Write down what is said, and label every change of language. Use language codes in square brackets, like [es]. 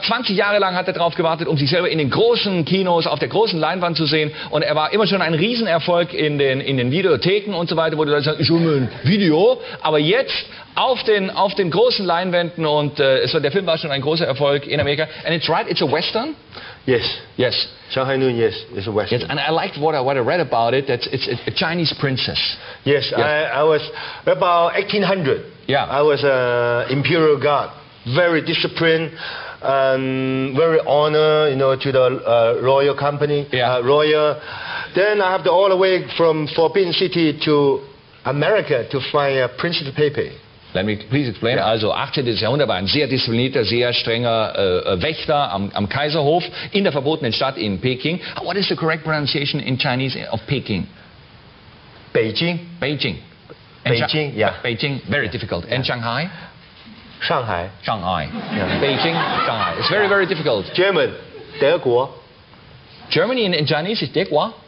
[de] 20 Jahre lang hat er darauf gewartet, um sich selber in den großen Kinos auf der großen Leinwand zu sehen. Und er war immer schon ein Riesenerfolg in den Videotheken und so weiter, wo die Leute sagen, ich hole mir ein Video. Aber jetzt auf den großen Leinwänden und der Film war schon ein großer Erfolg in Amerika. [en] And it's right, it's a Western? Yes. Yes. Shanghai Noon, yes, it's a Western. Yes, and I liked what I read about it, that it's a Chinese princess. Yes, yes. I was about 1800. Yeah. I was an imperial guard, very disciplined, very honored, you know, to the royal company, royal. Then I have to all the way from Forbidden City to America to find a Princess Pepe. Let me please explain. Yeah. Also 18. [de] Jahrhundert war ein sehr disziplinierter, sehr strenger Wächter am Kaiserhof in der verbotenen Stadt in Peking. [en] What is the correct pronunciation in Chinese of Peking? Beijing. Beijing. Beijing, Beijing, very difficult. And Shanghai? Shanghai. Shanghai. Yeah. Beijing, Shanghai. It's very, very difficult. German, 德国. Germany in Chinese is 德国.